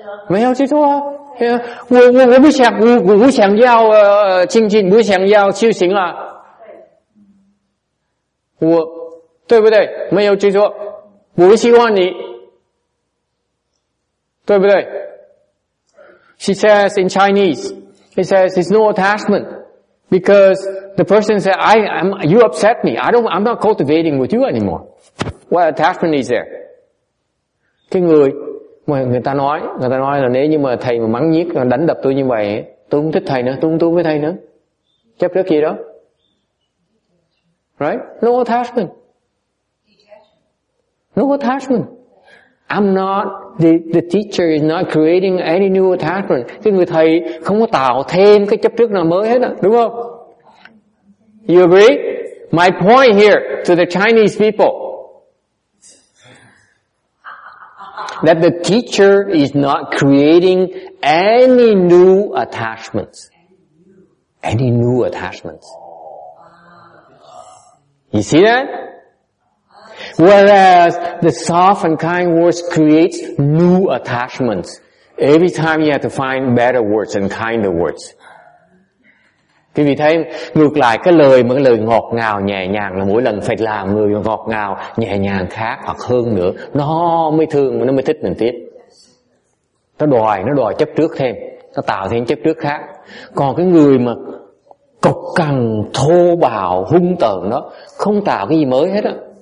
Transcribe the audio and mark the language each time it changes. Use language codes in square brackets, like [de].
[zh] 没有执着啊, 我不想, 我不想要, 清静, 不想要修行啊, 我, 对不对? 没有执着, 不希望你, 对不对? [en] She says in Chinese, she says it's no attachment, because the person said, you upset me. I'm not cultivating with you anymore. What attachment is there? [vi] Cái người, người ta nói là nếu như mà thầy mà mắng nhiếc, đánh đập tôi như vậy, tôi không thích thầy nữa, tôi không tu với thầy nữa. Chấp trước gì đó. [en] Right? No attachment. No attachment. I'm not, the teacher is not creating any new attachment. [vi] Cái người thầy không có tạo thêm cái chấp trước nào mới hết á, đúng không? [en] You agree? My point here to the Chinese people that the teacher is not creating any new attachments. Any new attachments. You see that? Whereas the soft and kind words creates new attachments. Every time you have to find better words and kinder words. [vi] Quý vị thấy ngược lại cái lời ngọt ngào nhẹ nhàng là mỗi lần phải làm người ngọt ngào nhẹ nhàng khác hoặc hơn nữa. Nó mới thương, nó mới thích mình tiếp. Nó đòi chấp trước thêm. Nó tạo thêm chấp trước khác. Còn cái người mà cộc cằn, thô bạo, hung tợn đó, không tạo cái gì mới hết á.